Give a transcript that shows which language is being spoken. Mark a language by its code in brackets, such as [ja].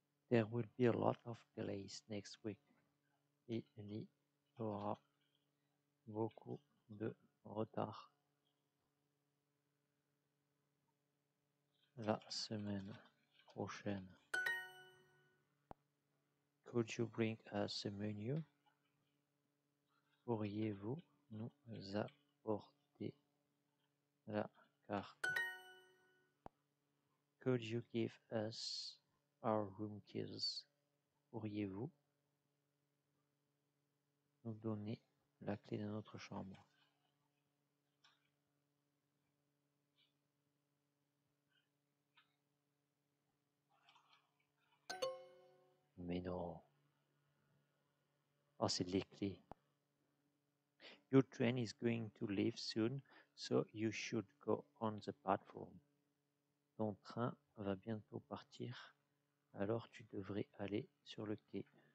[en] There will be a lot of delays next week. [fr] Il y aura beaucoup de retard la semaine prochaine. [en] Could you bring us a menu? [fr] Pourriez-vous nous apporter la carte? [en] Could you give us our room keys? [fr] Pourriez-vous nous donner la clé de notre chambre? Mais non. Oh, c'est les clés. [en] Your train is going to leave soon, so you should go on the platform. [fr] Ton train va bientôt partir, alors tu devrais aller sur le quai.